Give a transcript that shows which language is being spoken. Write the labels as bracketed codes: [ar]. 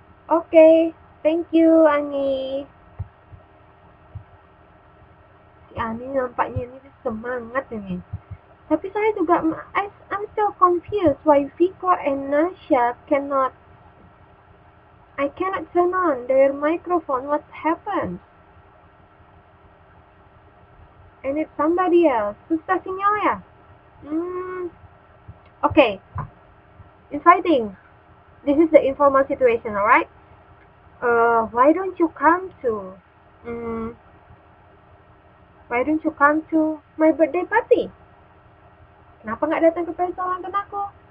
[en] Oke, thank you, Ani. [id] Si Ani nampaknya ini semangat ini. Tapi saya juga, [en] I'm still confused why Vico and Nasha cannot, I cannot turn on their microphone. What happened? And it's somebody else. [id] Susah sinyal ya? [en] Okay. Inviting. This is the informal situation, alright? Why don't you come to why don't you come to my birthday party? [id] Kenapa nggak datang ke pesta ulang tahun aku?